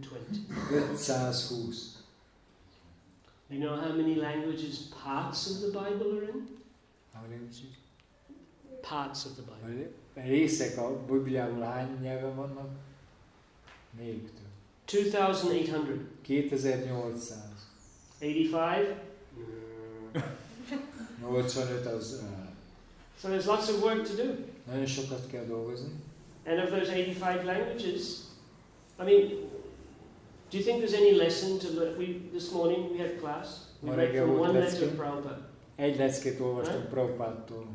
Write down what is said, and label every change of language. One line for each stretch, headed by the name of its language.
English: You know how many languages parts of the Bible are in? Parts of the Bible.
Hungarian: Részek a Bibliából hány nyelven vannak?
English: 2800. 85?
Hungarian: 85 az...
English: So there's lots of work to do.
Hungarian: Nagyon sokat kell dolgozni.
English: And of those 85 languages, I mean, do you think there's any lesson to learn? We, this morning we had class. We read from one
Hungarian: leckét,
English: letter of Prabhupada.
Hungarian: Egy leckét olvastunk Prabhupádtól.